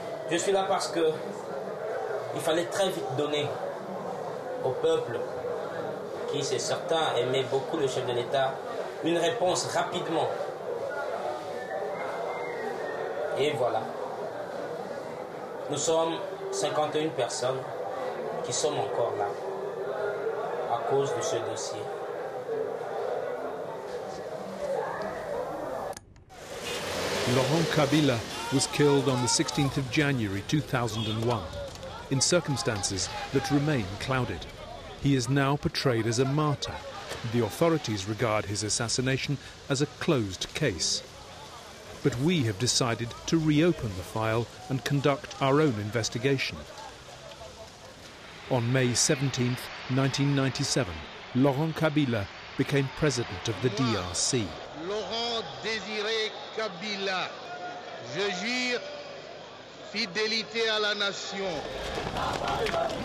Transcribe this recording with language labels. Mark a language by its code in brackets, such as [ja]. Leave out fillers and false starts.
[fr] Je suis là parce que il fallait très vite donner au peuple, qui c'est certain aimait beaucoup le chef de l'État, une réponse rapidement. Et voilà. Nous sommes 51 personnes qui sommes encore là à cause de ce dossier. [en] Laurent Kabila was killed on the 16th of January 2001 in circumstances that remain clouded. He is now portrayed as a martyr. The authorities regard his assassination as a closed case. But we have decided to reopen the file and conduct our own investigation. On May 17, 1997, Laurent Kabila became president of the DRC. [fr] Laurent Désiré Kabila, je jure fidélité à la nation.